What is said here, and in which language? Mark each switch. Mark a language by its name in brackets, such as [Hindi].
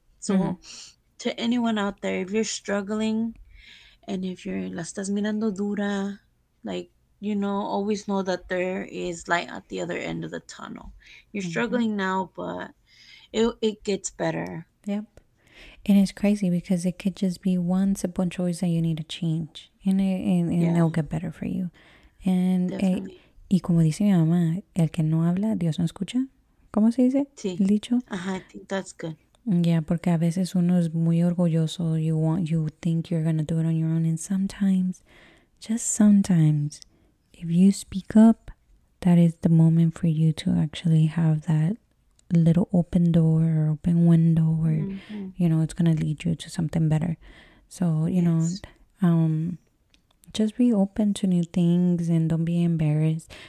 [English] So to anyone out there, if you're struggling, and if you're [Spanish] la estás mirando dura, [English] like, you know, always know that there is light at the other end of the tunnel. You're struggling now, but it gets better. Yep. And it's crazy, because it could just be one simple choice that you need to change, and it'll get better for you. And definitely. [Spanish] Y como dice mi mamá, el que no habla, Dios no escucha. ¿Cómo se dice? Sí. ¿El dicho? [English] Ajá, I think that's good. [Spanish] Yeah, porque a veces uno es muy orgulloso. [English] You think you're gonna do it on your own, and sometimes, just sometimes, if you speak up, that is the moment for you to actually have that little open door or open window, or mm-hmm. you know, it's gonna lead you to something better. So you know, just be open to new things and don't be embarrassed.